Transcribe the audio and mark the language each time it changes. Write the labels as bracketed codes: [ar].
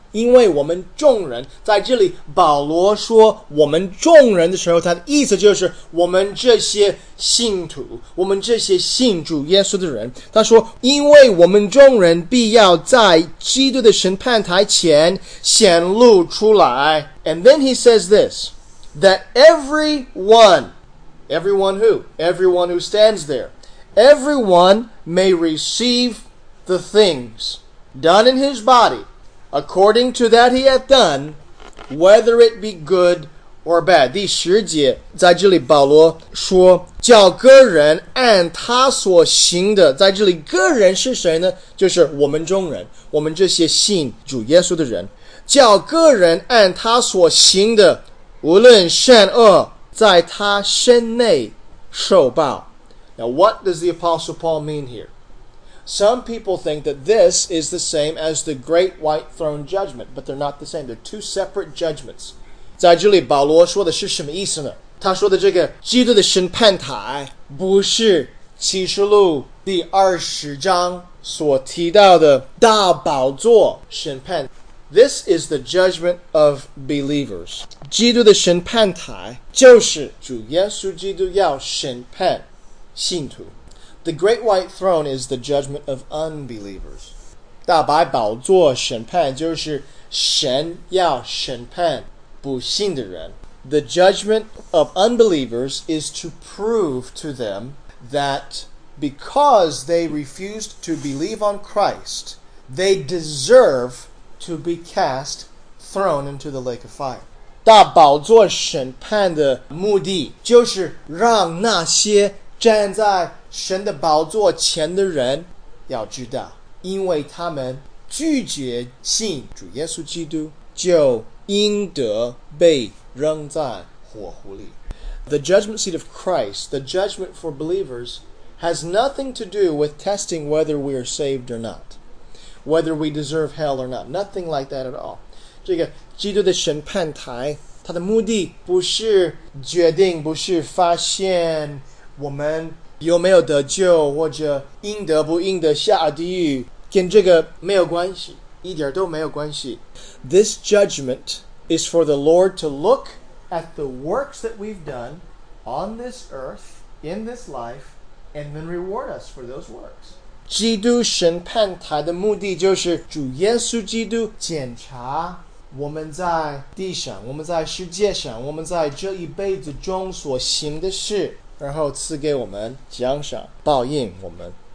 [zh] 因为我们众人，在这里保罗说我们众人的时候，他的意思就是我们这些信徒，我们这些信主耶稣的人。他说，因为我们众人必要在基督的审判台前显露出来。 [en] And then he says this, that everyone who stands there, everyone may receive the things done in his body. According to that he hath done, whether it be good or bad. [zh] 第十节，在这里保罗说，叫个人按他所行的，在这里个人是谁呢？就是我们众人，我们这些信主耶稣的人，叫个人按他所行的，无论善恶，在他身内受报。 [en] Now, what does the Apostle Paul mean here? Some people think that this is the same as the Great White Throne Judgment, but they're not the same. They're two separate judgments. [zh] 在这里保罗说的是什么意思呢？他说的这个基督的审判台不是启示录第二十章所提到的大宝座审判。 [en] This is the judgment of believers. [zh] 基督的审判台就是主耶稣基督要审判信徒。 [en] The Great White Throne is the judgment of unbelievers. [zh] 大白宝座审判就是神要审判不信的人。 [en] The judgment of unbelievers is to prove to them that because they refused to believe on Christ, they deserve to be cast, thrown into the lake of fire. [zh] 大宝座审判的目的就是让那些站在神的宝座前的人要知道，因为他们拒绝信主耶稣基督，就应得被扔在火湖里。 [en] The judgment seat of Christ, the judgment for believers, has nothing to do with testing whether we are saved or not, whether we deserve hell or not, nothing like that at all. [zh] 这个基督的审判台，它的目的不是决定，不是发现我们有没有得救，或者应得不应得下地狱，跟这个没有关系，一点都没有关系。 [en] This judgment is for the Lord to look at the works that we've done on this earth, in this life, and then reward us for those works. [zh] 基督审判台的目的就是主耶稣基督检查我们在地上，我们在世界上，我们在这一辈子中所行的事。然后赐给我们奖赏，报应我们。